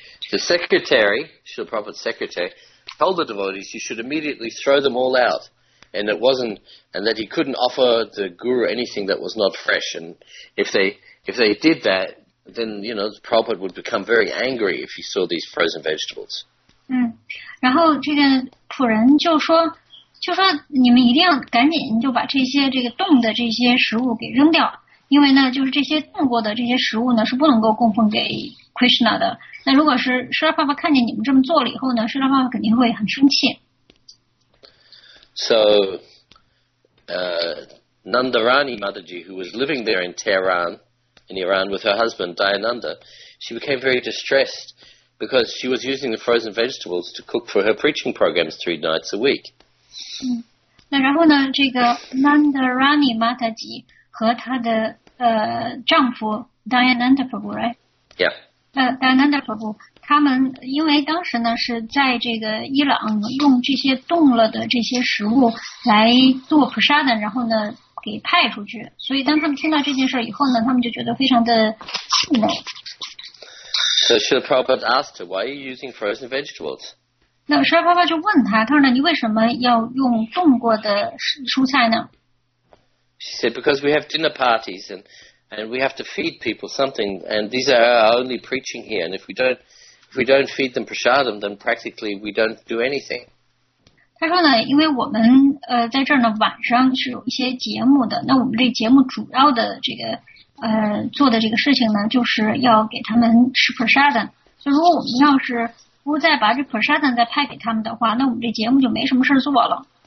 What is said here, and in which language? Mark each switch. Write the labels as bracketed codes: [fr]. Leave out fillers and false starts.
[en] The secretary, Srila Prabhupada's secretary, told the devotees you should immediately throw them all out, and that he couldn't offer the guru anything that was not fresh, and if they did that. Then you know, Prabhupada would become very angry if he saw these frozen vegetables. [zh] 然后这个仆人就说你们一定要赶紧就把这些这个冻的这些食物给扔掉，因为呢，就是这些冻过的这些食物呢是不能够供奉给 Krishna 的。那如果是释迦牟尼看见你们这么做了以后呢，释迦牟尼肯定会很生气。 [en] So, Nandarani Mataji, who was living there in Tehran. In Iran with her husband Dayananda, she became very distressed because she was using the frozen vegetables to cook for her preaching programs three nights a week. [zh] 那然后呢，这个 Nandarani Mataji 和她的丈夫 Dayananda Prabhu, [en] right? Yeah. [zh] Dayananda Prabhu, 他们因为当时呢是在这个伊朗用这些冻了的这些食物来做普沙的，然后呢。给派出去，所以当他们听到这件事以后呢，他们就觉得非常的气馁。 [en] So Srila Prabhupada asked her, "Why are you using frozen vegetables?" [zh] 那么 Srila Prabhupada 就问他，他说呢，你为什么要用冻过的蔬菜呢？ [en] She said, "Because we have dinner parties and we have to feed people something, and these are our only preaching here. And if we don't if we don't feed them prasadam, then practically we don't do anything. [zh] 他说呢，因为我们在这儿呢晚上是有一些节目的，那我们这节目主要的这个做的这个事情呢，就是要给他们吃 prasadam。所以如果我们要是不再把这 prasadam 再派给他们的话，那我们这节目就没什么事做了。